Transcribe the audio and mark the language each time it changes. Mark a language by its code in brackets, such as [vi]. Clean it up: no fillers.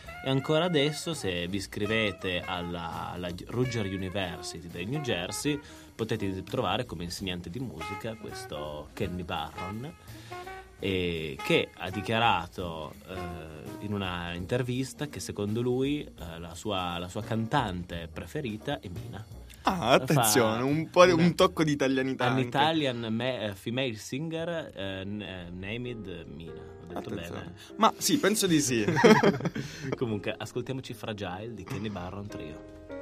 [it] E ancora adesso, se vi iscrivete alla Rutgers University del New Jersey, potete trovare come insegnante di musica questo Kenny Barron, che ha dichiarato in una intervista che secondo lui la sua cantante preferita è Mina. Ah, attenzione, un tocco di italianità. [en] An Italian female singer named Mina. [it] Attenzione. Ma sì, penso di sì. Comunque, ascoltiamoci Fragile di Kenny Barron Trio.